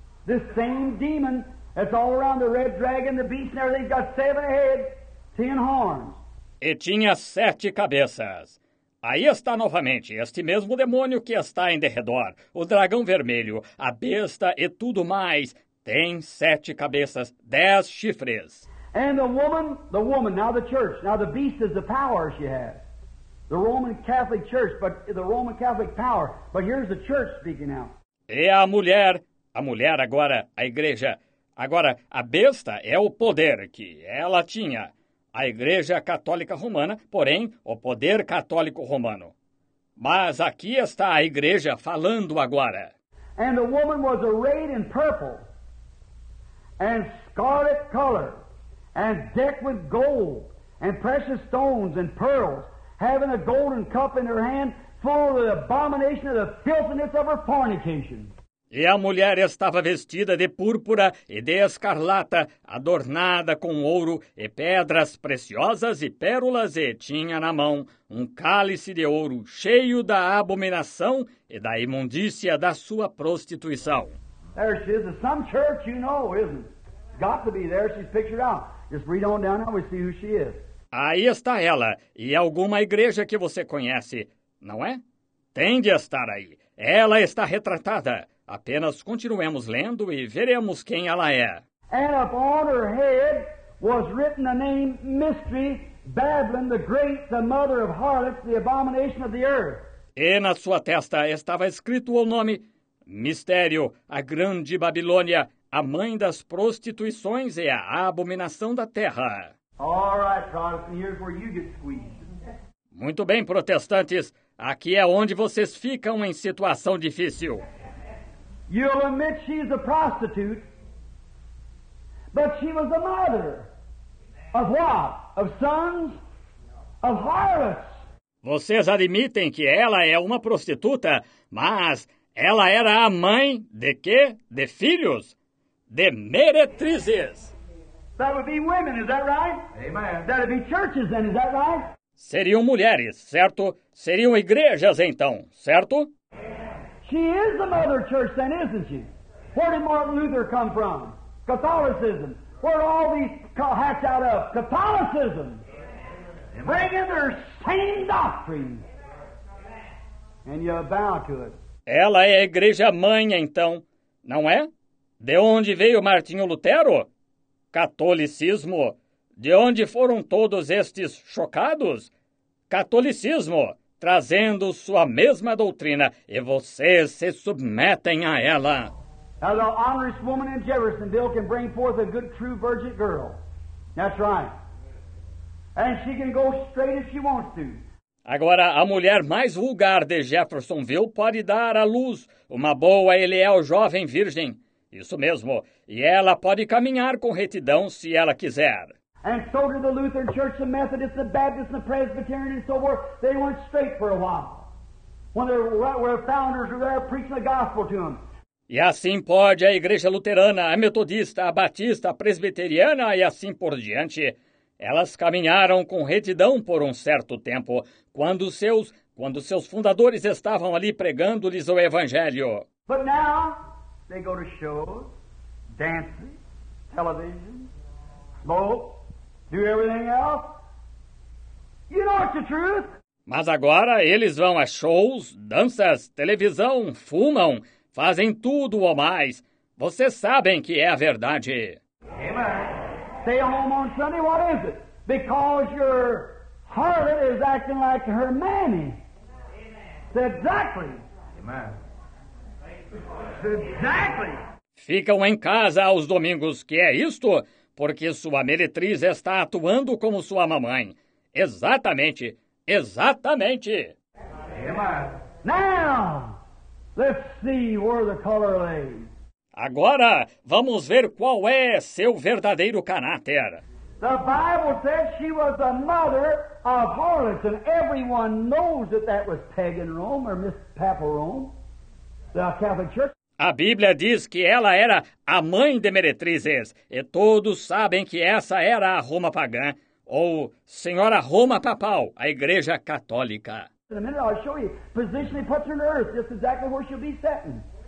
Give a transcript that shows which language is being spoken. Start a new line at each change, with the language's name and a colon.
English: This same demon that's all around the red dragon, the beast and everything's got 7 heads, 10 horns.
Portuguese: E tinha 7 cabeças. Aí está novamente este mesmo demônio que está em derredor. O dragão vermelho, a besta e tudo mais. Tem 7 cabeças, 10 chifres.
English: And the woman, now the church, now the beast is the power she has. The Roman Catholic Church, but the Roman Catholic power. But here's the church speaking now.
Portuguese: E a mulher agora, a igreja. Agora, a besta é o poder que ela tinha. A igreja católica romana, porém, o poder católico romano. Mas aqui está a igreja falando agora.
English: And the woman was arrayed in purple and scarlet color and decked with gold and precious stones and pearls, having a golden cup in her hand, full of the abomination of the filthiness of her fornication.
Portuguese: E a mulher estava vestida de púrpura e de escarlata, adornada com ouro e pedras preciosas e pérolas, e tinha na mão um cálice de ouro cheio da abominação e da imundícia da sua prostituição.
English: There she is. Some church you know, isn't it? Got to be there. She's pictured out. Just read on down and we'll see who she is.
Portuguese: Aí está ela, e alguma igreja que você conhece, não é? Tem de estar aí. Ela está retratada. Apenas continuemos lendo e veremos quem ela é.
English: And upon her head was written the name Mystery, Babylon, the great, the mother of harlots, the abomination of the earth.
Portuguese: E na sua testa estava escrito o nome Mistério, a grande Babilônia, a mãe das prostituições e a abominação da terra.
English: All right, Protestant, here's where you get squeezed.
Portuguese: Muito bem, protestantes, aqui é onde vocês ficam em situação difícil.
English: You'll admit she's a prostitute, But she was the mother. Of what? Of sons? Of harlots.
Portuguese: Vocês admitem que ela é uma prostituta, mas ela era a mãe de quê? De filhos? De meretrizes.
English: That would be women, is that right? Amen. That would be churches then, is that right?
Portuguese: Seriam mulheres, certo? Seriam igrejas então, certo?
English: She is the mother church then, isn't she? Where did Martin Luther come from? Catholicism. Where did all these hatch out of? Catholicism. Bring in their same doctrine. And you bow to it.
Portuguese: Ela é a igreja mãe então, não é? De onde veio Martinho Lutero? Catolicismo. De onde foram todos estes chocados? Catolicismo, trazendo sua mesma doutrina, e vocês se submetem a ela.
English: Now, the honorest woman in Jeffersonville can bring forth a good, true virgin girl. That's right. And she can go straight if she wants to.
Portuguese: Agora, a mulher mais vulgar de Jeffersonville pode dar à luz uma boa e leal jovem virgem. Isso mesmo. E ela pode caminhar com retidão se ela quiser.
English: And so did the Lutheran Church, the Methodist, the Baptist, the Presbyterian, and so forth. They went straight for a while. When their founders were there preaching the gospel to them.
Portuguese: E assim pode a Igreja Luterana, a Metodista, a Batista, a Presbiteriana e assim por diante. Elas caminharam com retidão por um certo tempo, quando seus fundadores estavam ali pregando-lhes o Evangelho.
English: But now, they go to shows, dancing, television, smoke, do everything else. You know it's the truth.
Portuguese: Mas agora eles vão a shows, danças, televisão, fumam, fazem tudo ou mais. Vocês sabem que é a verdade.
English: Amen. Stay home on Sunday, what is it? Because your harlot is acting like her mammy. Amen. Exactly. Amen. Exactly.
Portuguese: Ficam em casa aos domingos, que é isto? Porque sua meretriz está atuando como sua mamãe. Exatamente. Exatamente.
English: Amen. Now, let's see where the color lays.
Portuguese: Agora, vamos ver qual é seu verdadeiro caráter.
English: The Bible says she was the mother of harlots, and everyone knows that that was pagan Rome or Miss Papal Rome, the Catholic Church.
Portuguese: A Bíblia diz que ela era a mãe de meretrizes, e todos sabem que essa era a Roma pagã, ou Senhora Roma Papal, a Igreja Católica.
English: In a minute I'll show you. Positionally puts her on earth, just exactly where she'll be sitting.